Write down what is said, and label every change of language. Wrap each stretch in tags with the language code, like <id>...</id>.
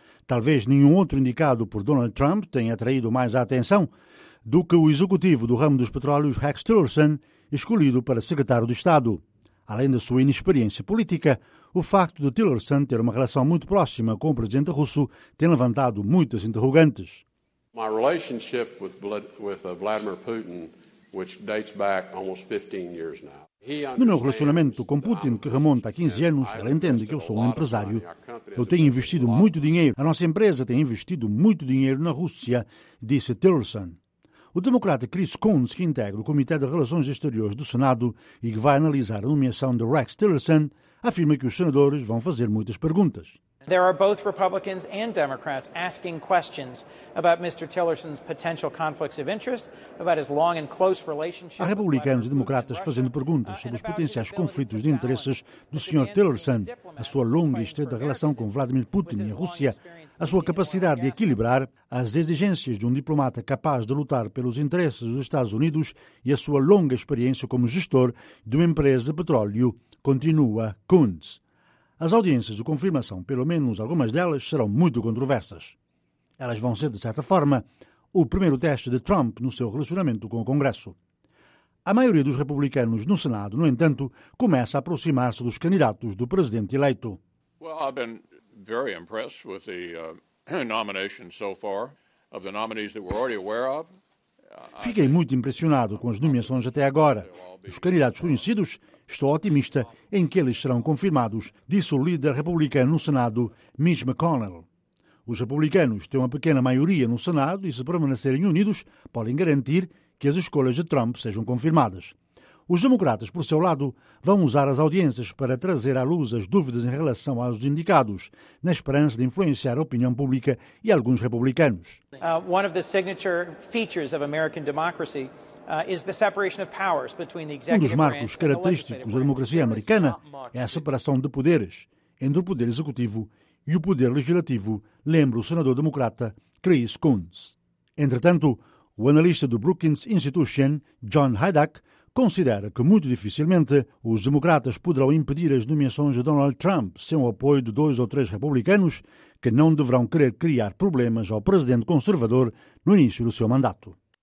<pt>Talvez nenhum outro indicado por Donald Trump tenha atraído mais a atenção do que o executivo do ramo dos petróleos, Rex Tillerson, escolhido para secretário de Estado. Além da sua inexperiência política, o facto de Tillerson ter uma relação muito próxima com o presidente russo tem levantado muitas interrogantes.</pt> <en>My relationship with Vladimir Putin, which dates back almost 15 years now.</en> <pt>No meu relacionamento com Putin, que remonta a 15 anos, ele entende que eu sou um empresário. Eu tenho investido muito dinheiro. A nossa empresa tem investido muito dinheiro na Rússia, disse Tillerson. O democrata Chris Coons, que integra o Comitê de Relações Exteriores do Senado e que vai analisar a nomeação de Rex Tillerson, afirma que os senadores vão fazer muitas perguntas.</pt> <en>There are both Republicans and Democrats asking questions about Mr. Tillerson's potential conflicts of interest, about his long and close relationship.</en> <pt>Há republicanos e democratas fazendo perguntas sobre os potenciais conflitos de interesses do Sr. Tillerson, a sua longa e estreita relação com Vladimir Putin e a Rússia, a sua capacidade de equilibrar as exigências de um diplomata capaz de lutar pelos interesses dos Estados Unidos e a sua longa experiência como gestor de uma empresa de petróleo, continua Coons. As audiências de confirmação, pelo menos algumas delas, serão muito controversas. Elas vão ser, de certa forma, o primeiro teste de Trump no seu relacionamento com o Congresso. A maioria dos republicanos no Senado, no entanto, começa a aproximar-se dos candidatos do presidente eleito.</pt> <en>Well, I've been very impressed with the nomination so far of the nominees that we're already aware of.</en> <pt>Fiquei muito impressionado com as nomeações até agora. Os candidatos conhecidos, estou otimista em que eles serão confirmados, disse o líder republicano no Senado, Mitch McConnell. Os republicanos têm uma pequena maioria no Senado e, se permanecerem unidos, podem garantir que as escolhas de Trump sejam confirmadas. Os democratas, por seu lado, vão usar as audiências para trazer à luz as dúvidas em relação aos indicados, na esperança de influenciar a opinião pública e alguns republicanos.</pt> <en>One of the signature features of American democracy is the separation of powers between the executive branch.</en> <pt>Um dos marcos característicos da democracia americana é a separação de poderes entre o poder executivo e o poder legislativo, lembra o senador democrata Chris Coons. Entretanto, o analista do Brookings Institution, John Hydak, considera que muito dificilmente os democratas poderão impedir as nomeações de Donald Trump sem o apoio de dois ou três republicanos que não deverão querer criar problemas ao presidente conservador no início do seu mandato.</pt>